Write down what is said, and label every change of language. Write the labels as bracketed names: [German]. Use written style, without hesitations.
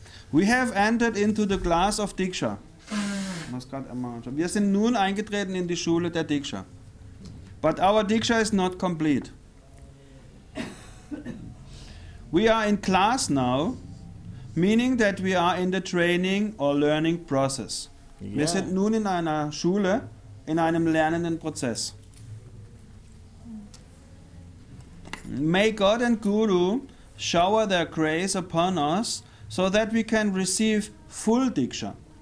[English] We have entered into the glass of Diksha. [German] Wir sind nun eingetreten in die Schule der Diksha. [English] But our Diksha is not complete. We are in class now, meaning that we are in the training or learning process. Yeah. [German] Wir sind nun in einer Schule, in einem lernenden Prozess. [English] May God and Guru shower their grace upon us so that we can receive full Diksha.